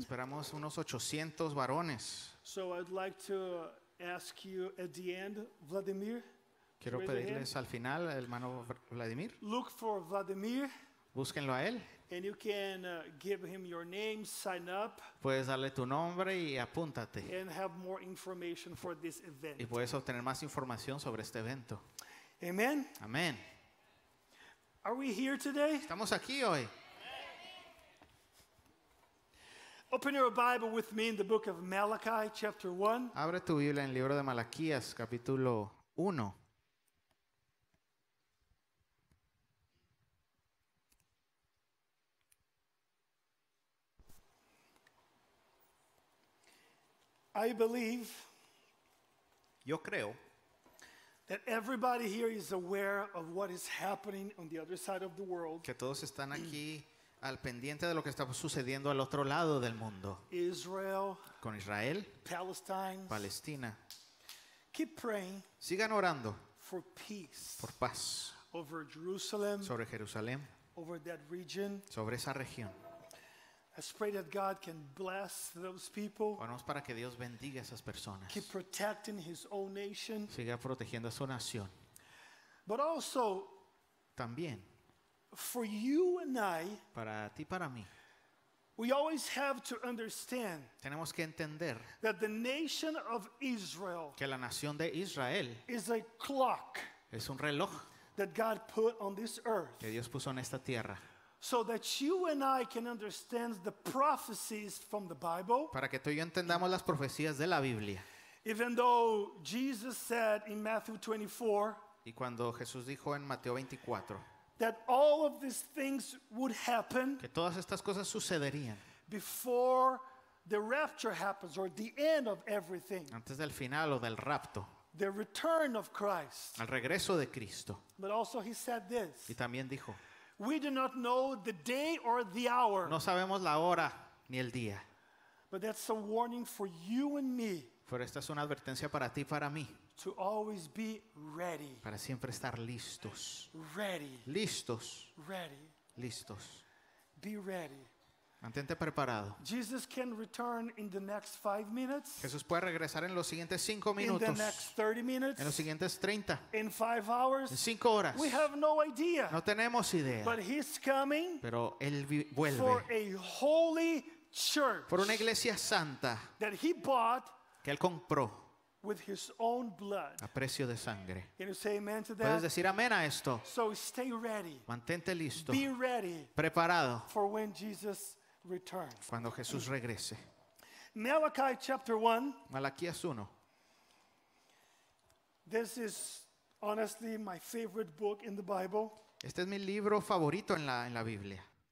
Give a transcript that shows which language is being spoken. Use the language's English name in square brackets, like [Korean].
[Spanish] Esperamos unos 800 varones. [English] So I'd like to ask you at the end, Vladimir. [Spanish] Quiero pedirles al final, hermano Vladimir. [English] Look for Vladimir. [Spanish] Búsquenlo a él. [English] And you can give him your name, sign up. [Spanish] Puedes darle tu nombre y apúntate. [English] And have more information for this event. [Spanish] Y puedes obtener más información sobre este evento. [English] Amen. [Spanish] Amen. [English] Are we here today? [Spanish] Estamos aquí hoy. [English] Open your Bible with me in the book of Malachi, chapter 1. [Spanish] Abre tu Biblia en el libro de Malaquías, capítulo 1. [English] I believe. [Spanish] Yo creo. [English] That everybody here is aware of what is happening on the other side of the world. [Spanish] Que todos están aquí al pendiente de lo que está sucediendo al otro lado del mundo. [English] Israel. [Spanish] Con Israel. [English] Palestine. [Spanish] Palestina. [English] Keep praying. [Spanish] Sigan orando. [English] For peace. [Spanish] Por paz. [English] Over Jerusalem. [Spanish] Sobre Jerusalén. [English] Over that region. [Spanish] Sobre esa región. [English] Let's pray that God can bless those people. [Spanish] Oramos para que Dios bendiga a esas personas. [English] Keep protecting His own nation. [Spanish] Siga protegiendo a su nación. [English] But also, [Spanish] también, [English] for you and I, [Spanish] para ti y para mí, [English] we always have to understand, [Spanish] tenemos que entender, [English] that the nation of Israel, [Spanish] que la nación de Israel, [English] is a clock, [Spanish] es un reloj, [English] that God put on this earth, [Spanish] que Dios puso en esta tierra. [English] So that you and I can understand the prophecies from the Bible. [Spanish] Para que tú y yo entendamos las profecías de la Biblia. [English] Even though Jesus said in Matthew 24. [Spanish] Y cuando Jesús dijo en Mateo 24. [English] That all of these things would happen. [Spanish] Que todas estas cosas sucederían. [English] Before the rapture happens or the end of everything. [Spanish] Antes del final o del rapto. [English] The return of Christ. [Spanish] Al regreso de Cristo. [English] But also he said this. [Spanish] Y también dijo. [English] We do not know the day or the hour. [Spanish] No sabemos la hora ni el día. [English] But that's a warning for you and me. [Spanish] Pero esta es una advertencia para ti y para mí. [English] To always be ready. [Spanish] Para siempre estar listos. [English] Ready. [Spanish] Listos. [English] Ready. [Spanish] Listos. [English] Be ready. [Spanish] Mantente preparado. [English] Jesus can return in the next 5 minutes. [Spanish] Jesús puede regresar en los siguientes 5 minutos. [English] In the next 30 minutes. [Spanish] En los siguientes 30. [English] In 5 hours. [Spanish] En 5 horas. [English] We have no idea. [Spanish] No tenemos idea. [English] But he's coming. [Spanish] Pero él vuelve. [English] For a holy church. [Spanish] Por una iglesia santa. [English] That he bought. [Spanish] Que él compró. [English] With his own blood. [Spanish] A precio de sangre. [English] Can you say amen to that? [Spanish] Puedes decir amén a esto. [English] So stay ready. [Spanish] Mantente listo. [English] Be ready. [Spanish] Preparado. [English] For when Jesus return. [Spanish] Cuando Jesús regrese. [English] Malachi chapter 1. [Spanish] Malaquías 1. [English] This is honestly my favorite book in the Bible. [Spanish] Este es mi libro favorito en la Biblia.